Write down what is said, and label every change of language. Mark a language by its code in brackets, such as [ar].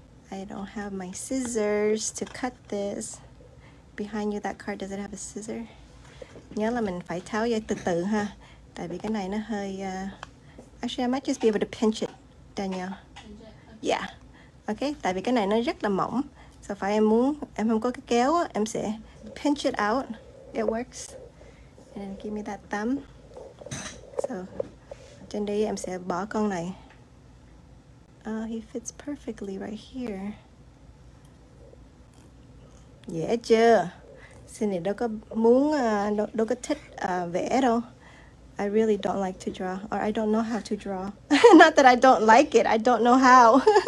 [en] I don't have my scissors to cut this. Behind you, that card, does it have a scissor? [vi] Nhớ là mình phải tháo dây từ từ ha. Tại vì cái này nó hơi... [en] Actually, I might just be able to pinch it, Daniel. Yeah. [vi] Okay, tại vì cái này nó rất là mỏng. So phải em muốn, em không có cái kéo, em sẽ [en] pinch it out. It works. And then give me that thumb. [vi] So, trên đây em sẽ bỏ con này. [en] Oh, he fits perfectly right here. [vi] Dễ chưa? Cindy đâu có muốn, đâu có thích vẽ đâu. [en] I really don't like to draw, or I don't know how to draw. Not that I don't like it, I don't know how.